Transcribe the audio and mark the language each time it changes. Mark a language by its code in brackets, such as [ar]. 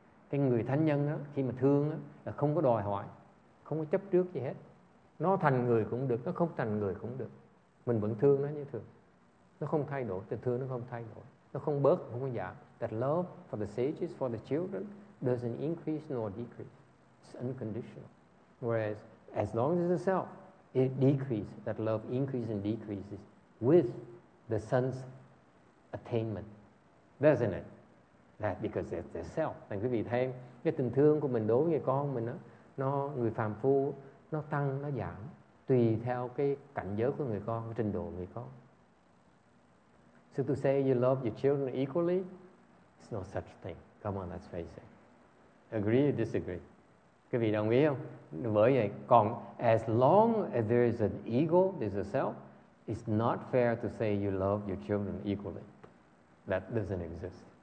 [vi] Cái người thánh nhân đó, khi mà thương đó, là không có đòi hỏi, không có chấp trước gì hết. Nó thành người cũng được, nó không thành người cũng được. Mình vẫn thương nó như thường. Nó không thay đổi, tình thương nó không thay đổi. Nó không bớt, không có giảm. [en] That love for the sages, for the children, doesn't increase nor decrease. It's unconditional. Whereas, as long as it's a self, it decreases. That love increases and decreases with the son's attainment. Doesn't it? That because it's a self. [vi] Thành quý vị thấy, cái tình thương của mình đối với người con mình, đó, nó người phàm phu, nó tăng, nó giảm. Tùy theo cái cảnh giới của người con, trình độ người con. [en] So to say you love your children equally, it's no such thing. Come on, let's face it. Agree or disagree? [vi] Quý vị đồng ý không? Bởi vậy, còn [en] as long as there is an ego, there's a self, it's not fair to say you love your children equally. That doesn't exist.